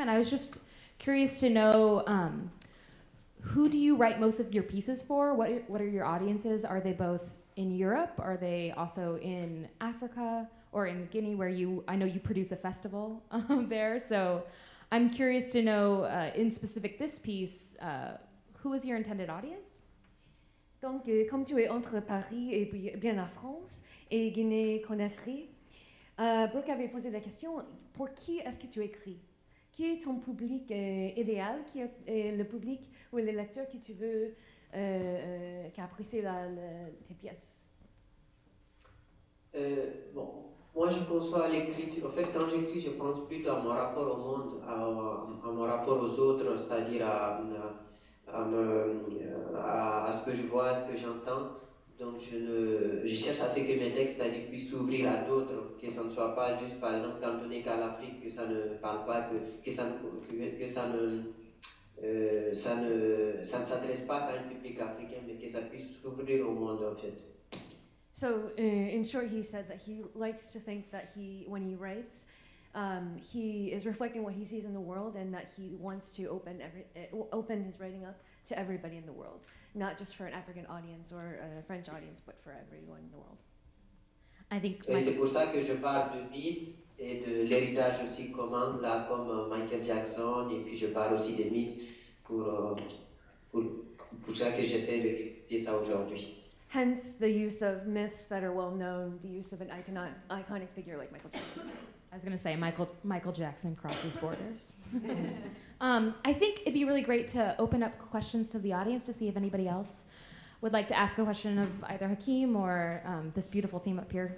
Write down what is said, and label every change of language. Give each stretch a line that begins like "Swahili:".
English: And I was just curious to know, who do you write most of your pieces for? What are your audiences? Are they both in Europe? Are they also in Africa or in Guinea, where I know you produce a festival there. So I'm curious to know, in specific this piece, who is your intended audience?
French: Donc, comme tu es entre Paris et bien la France et Guinée-Conakry, Brooke avait posé la question, pour qui est-ce que tu écris? Qui est ton public idéal? Qui est le public ou le lecteur que tu veux qui apprécie tes pièces? Bon, moi je conçois l'écriture. En fait, quand j'écris, je pense plutôt à mon rapport au monde, à mon rapport aux autres, c'est-à-dire à ce que je vois, à ce que j'entends. Donc je cherche à ce que mes textes, c'est-à-dire, puissent s'ouvrir à d'autres, que ça ne soit pas juste, par exemple, quand on est qu'à l'Afrique, que ça ne parle pas, que ça ne s'adresse pas qu'à un public africain, mais que ça puisse s'ouvrir au monde, en fait.
English: So, in short, he said that he likes to think that he, when he writes, he is reflecting what he sees in the world, and that he wants to open his writing up to everybody in the world, not just for an African audience or a French audience, but for everyone in the world. I think.
French: Et c'est pour ça que je parle de mythes et de l'héritage aussi commun, là, comme Michael Jackson, et puis je parle aussi des mythes pour ça que j'essaie de réexister ça aujourd'hui.
English: Hence the use of myths that are well known, the use of an iconic figure like Michael Jackson. I was going to say, Michael Jackson crosses borders. I think it'd be really great to open up questions to the audience to see if anybody else would like to ask a question of either Hakim or this beautiful team up here.